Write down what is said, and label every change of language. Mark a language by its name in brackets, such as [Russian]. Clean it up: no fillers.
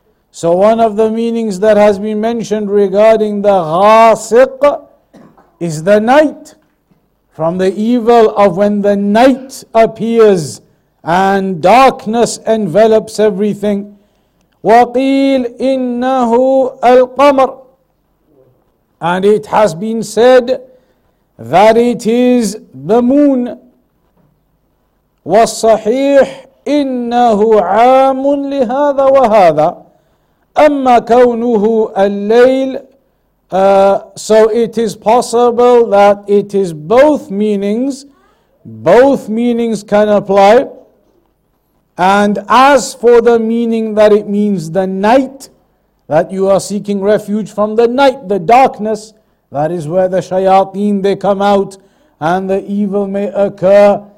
[English] So one of the meanings that has been mentioned regarding the غاسق is the night, from the evil of when the night appears and darkness envelops everything. [Arabic] وقيل إنه القمر. [English] And it has been said that it is the moon. [Arabic] والصحيح إنه عام لهذا وهذا. أما كونه الليل. [English] So it is possible that it is both meanings. Both meanings can apply. And as for the meaning that it means the night, that you are seeking refuge from the night, the darkness, that is where the shayateen, they come out and the evil may occur.